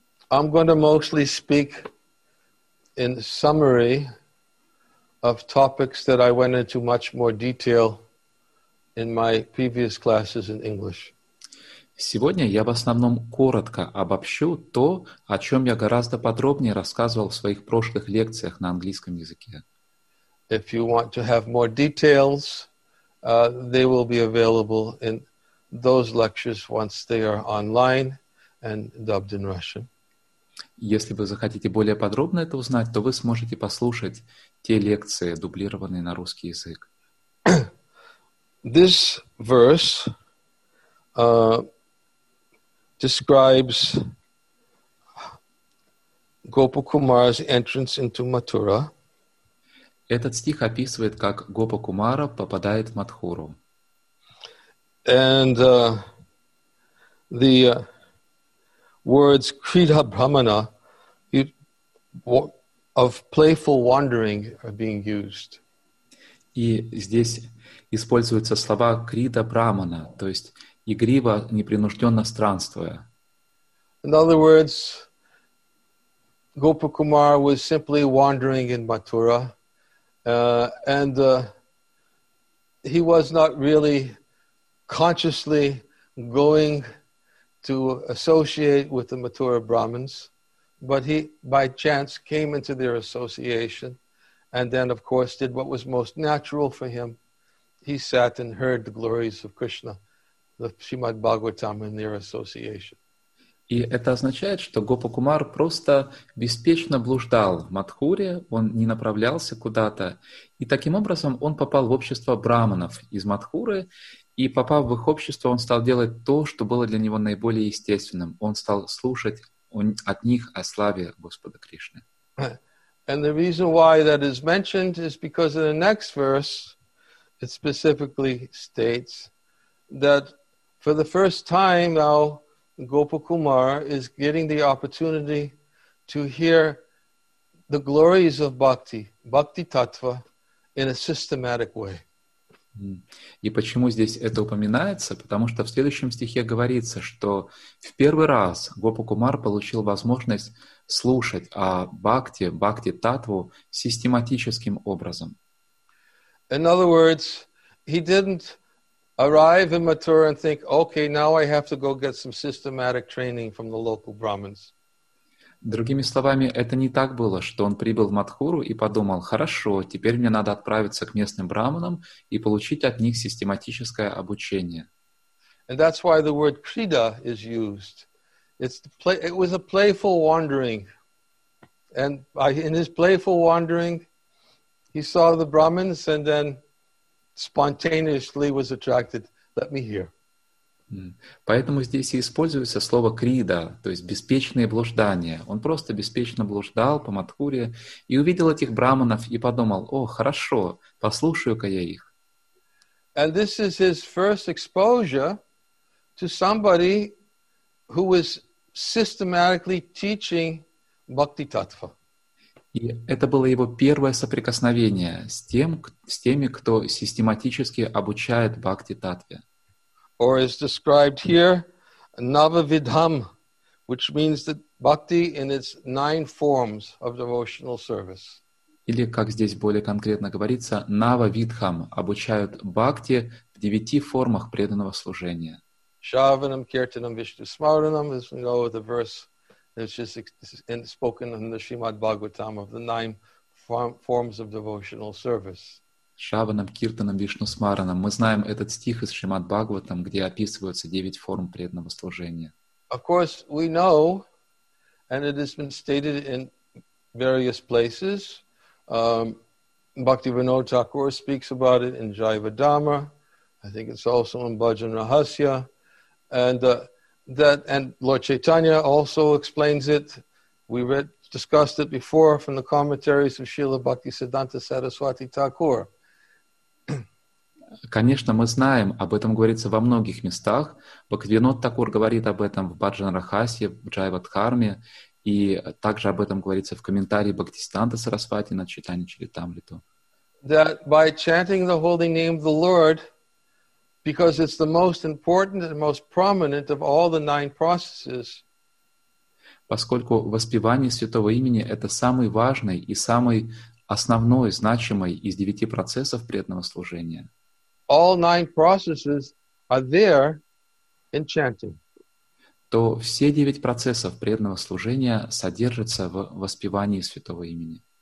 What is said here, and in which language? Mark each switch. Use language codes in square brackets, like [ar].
[en] I'm going to mostly speak in summary of topics that I went into much more detail in my previous classes in English. [ru] Сегодня я в основном коротко обобщу то, о чем я гораздо подробнее рассказывал в своих прошлых лекциях на английском языке. [en] If you want to have more details, they will be available in those lectures once they are online and dubbed in Russian. [ru] Если вы захотите более подробно это узнать, то вы сможете послушать те лекции, дублированные на русский язык. [en] This verse describes Gopakumar's entrance into Mathura. [ru] Этот стих описывает, как Гопакумара попадает в Матхуру. [en] And the words Kridha Brahmana of playful wandering are being used. [ru] И здесь используются слова Крида Брамана, то есть игриво, непринужденно странствуя. [en] In other words, Gopakumar was simply wandering in Mathura, and he was not really consciously going to associate with the Mathura Brahmins, but he, by chance, came into their association, and then, of course, did what was most natural for him. He sat and heard the glories of Krishna, the Srimad Bhagavatam, in their association. [ru] И это означает, что Гопакумар просто беспечно блуждал в Матхуре, он не направлялся куда-то, и таким образом он попал в общество брахманов из Матхуры, и попав в их общество, он стал делать то, что было для него наиболее естественным. Он стал слушать от них о славе Господа Кришны. [en] And the reason why that is mentioned is because in the next verse it specifically states that for the first time now Gopakumar is getting the opportunity to hear the glories of bhakti, bhakti tattva, in a systematic way. [ru] И почему здесь это упоминается? Потому что в следующем стихе говорится, что в первый раз Гопакумар получил возможность слушать о бхакти, бхакти таттву систематическим образом. [en] In other words, he didn't arrive in Mathura and think, okay, now I have to go get some systematic training from the local Brahmins. [ru] Другими словами, это не так было, что он прибыл в Матхуру и подумал, хорошо, теперь мне надо отправиться к местным брахманам и получить от них систематическое обучение. [en] And that's why the word krida is used. It was a playful wandering. And in his playful wandering, he saw the Brahmins and then spontaneously was attracted. Let me hear. [ru] Поэтому здесь и используется слово крида, то есть беспечные блуждания. Он просто беспечно блуждал по Матхуре и увидел этих брахманов и подумал, о, хорошо, послушаю-ка я их. [en] And this is his first exposure to somebody who was systematically teaching bhakti tattva. [ru] И это было его первое соприкосновение с тем, с теми, кто систематически обучает бхакти таттве. [en] Or is described here, Navavidham, which means that bhakti in its nine forms of devotional service. [ru] Или, как здесь более конкретно говорится, Navavidham, обучают бхакти в девяти формах преданного служения. [en] Shravanam, Kirtanam, Vishnu Smaranam, as we know the verse, it's just spoken in the Srimad Bhagavatam of the nine forms of devotional service. [ru] Шаванам, Киртанам, Вишну Смаранам. Мы знаем этот стих из Шримад Бхагаватам, где описываются девять форм преданного служения. [en] Of course, we know, and it has been stated in various places. Bhaktivinoda Thakur speaks about it in Jiva Dharma. I think it's also in Bhajan Rahasya. And Lord Chaitanya also explains it. We discussed it before from the commentaries of Srila Bhaktisiddhanta Saraswati Thakur. [ru] Конечно, мы знаем, об этом говорится во многих местах. Бхактивинод Такур говорит об этом в Баджан Рахасе, в Джайвадхарме, и также об этом говорится в комментарии Бхактисиддханта Сарасвати на Чайтанья Чаритамриту. [en] that by chanting the holy name of the Lord, because it's the most important and most prominent of all the nine processes. [ru] Поскольку воспевание святого имени – это самый важный и самый основной, значимый из девяти процессов преданного служения. [en] All nine processes are there in chanting. [ru] То все девять процессов преданного служения содержатся в воспевании святого имени.